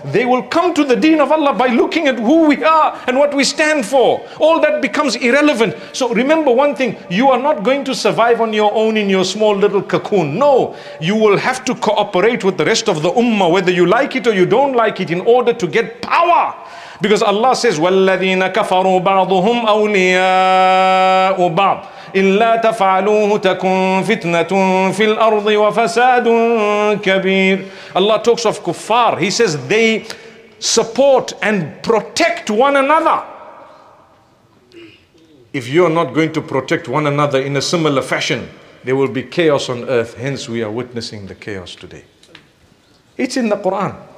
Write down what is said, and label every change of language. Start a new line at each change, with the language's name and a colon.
English: They will come to the deen of Allah by looking at who we are and what we stand for. All that becomes irrelevant. So remember one thing. You are not going to survive on your own in your small little cocoon. No. You will have to cooperate with the rest of the ummah, whether you like it or you don't like it, in order to get power. Because Allah says,
Arabic: وَالَّذِينَ كَفَرُوا بَعْضُهُمْ أَوْلِيَاءُ بَعْضٍ إِلَّا تَفَعَلُوهُ تَكُنْ فِتْنَةٌ فِي الْأَرْضِ وَفَسَادٌ كَبِيرٌ.
English: Allah talks of kuffar. He says they support and protect one another. If you're not going to protect one another in a similar fashion, there will be chaos on earth. Hence we are witnessing the chaos today. It's in the Quran.